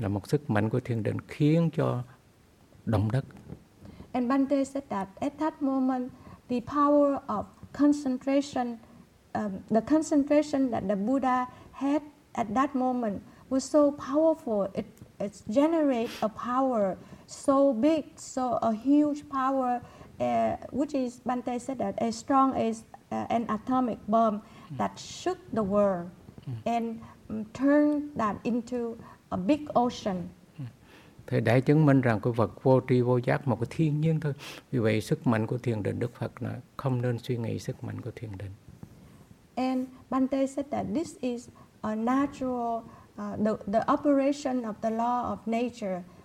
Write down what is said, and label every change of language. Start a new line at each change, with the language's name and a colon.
Vietnamese: là một sức mạnh của thiền định khiến cho động đất.
English: And Bhante said that at that moment, the power of concentration, the concentration that the Buddha had at that moment was so powerful. It generate a power so big, so a huge power, which is Bhante said that as strong as an atomic bomb that shook the world and turned that into a big ocean.
Vietnamese: Thì để chứng minh rằng cái vật vô tri vô giác một cái thiên nhiên thôi. Vì vậy sức mạnh của thiền định Đức Phật là không nên suy nghĩ sức mạnh của thiền định.
English: And Bhante said that this is a natural, the operation of the law of nature.